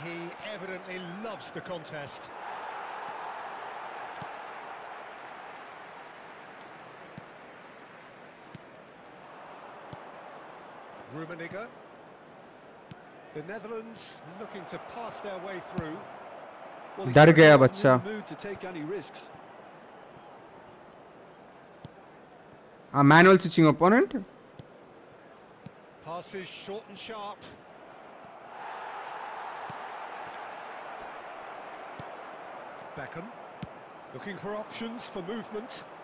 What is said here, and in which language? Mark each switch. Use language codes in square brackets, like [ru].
[en] He evidently loves the contest. Rummenigge. The Netherlands looking to pass their way through. [hi] डर गया बच्चा. [en] A manual switching opponent. Passes short and sharp. Beckham looking for options for movement.